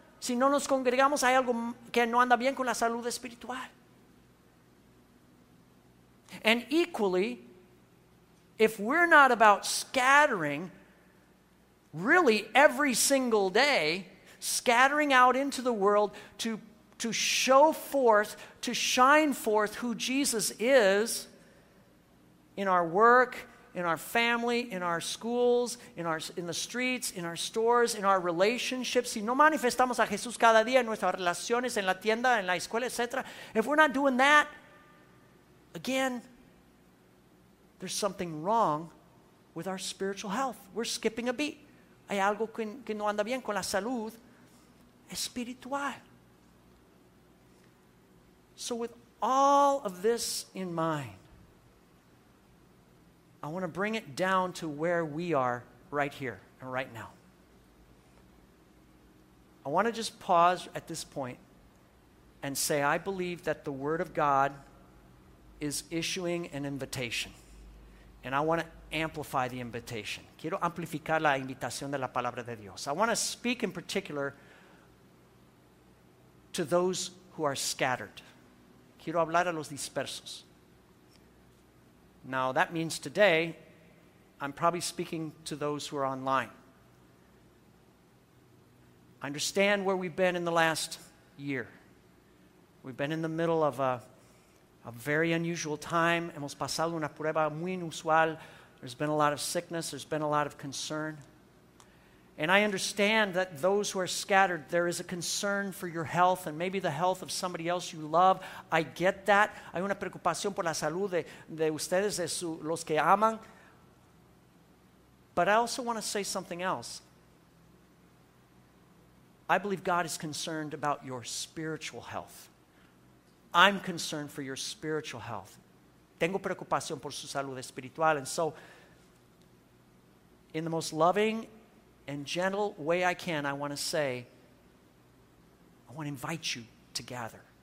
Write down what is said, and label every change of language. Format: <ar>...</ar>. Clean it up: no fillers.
<es>Si no nos congregamos, hay algo que no anda bien con la salud espiritual.</es> <en>And equally, if we're not about scattering, really every single day, scattering out into the world to show forth, to shine forth who Jesus is in our work, in our family, in our schools, in the streets, in our stores, in our relationships.</en> <es>Si no manifestamos a Jesús cada día en nuestras relaciones, en la tienda, en la escuela, etc.</es> <en>If we're not doing that, again, there's something wrong with our spiritual health. We're skipping a beat.</en> <es>Hay algo que no anda bien con la salud espiritual.</es> <en>So with all of this in mind, I want to bring it down to where we are right here and right now. I want to just pause at this point and say, I believe that the Word of God is issuing an invitation. And I want to amplify the invitation.</en> <es>Quiero amplificar la invitación de la palabra de Dios.</es> <en>I want to speak in particular to those who are scattered.</en> <es>Quiero hablar a los dispersos.</es> <en>Now that means today, I'm probably speaking to those who are online. I understand where we've been in the last year. We've been in the middle of a very unusual time.</en> <es>Hemos pasado una prueba muy inusual.</es> <en>There's been a lot of sickness. There's been a lot of concern. And I understand that those who are scattered, there is a concern for your health and maybe the health of somebody else you love. I get that.</en> <es>Hay una preocupación por la salud de ustedes, de su, los que aman.</es> <en>But I also want to say something else. I believe God is concerned about your spiritual health. I'm concerned for your spiritual health.</en> <es>Tengo preocupación por su salud espiritual.</es> <en>And so, in the most loving and gentle way I can, I want to say, I want to invite you to gather.</en>